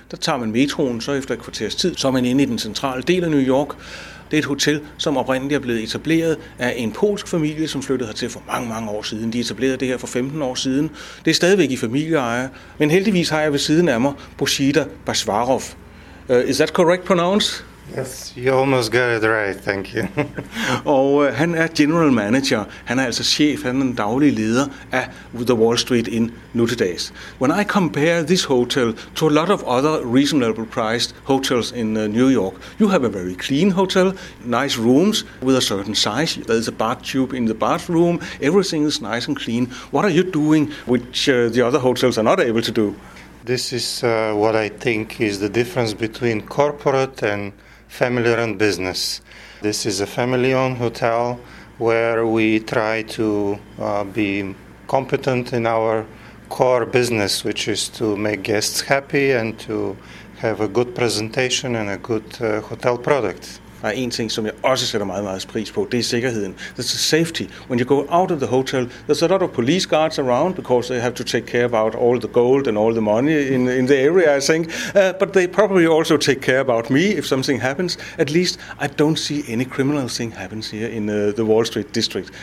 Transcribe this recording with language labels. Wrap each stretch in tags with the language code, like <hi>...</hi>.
<da>Der tager man metroen, så efter et kvarters tid, så er man inde i den centrale del af New York. Det er et hotel, som oprindeligt er blevet etableret af en polsk familie, som flyttede hertil for mange, mange år siden. De etablerede det her for 15 år siden. Det er stadigvæk i familieeje, men heldigvis har jeg ved siden af mig Bozita Bazvarov.</da> <en>Is that correct pronounced? Yes, you almost got it right, thank you.</en> <da>Og han er general manager. Han er altså chef, han er den daglige leder af The Wall Street Inn nu til dags.</da> <en>When I compare this hotel to a lot of other reasonably priced hotels in New York, you have a very clean hotel, nice rooms with a certain size. There is a bathtub in the bathroom. Everything is nice and clean. What are you doing which the other hotels are not able to do? This is what I think is the difference between corporate and family-run business. This is a family-owned hotel where we try to be competent in our core business, which is to make guests happy and to have a good presentation and a good hotel product.</en> <da>Der er en ting, som jeg også sætter meget, meget pris på. Det er sikkerheden.</da> <en>That's the safety. When you go out of the hotel, there's a lot of police guards around because they have to take care about all the gold and all the money in the area, I think. But they probably also take care about me if something happens. At least I don't see any criminal thing happens here in the Wall Street district.</en>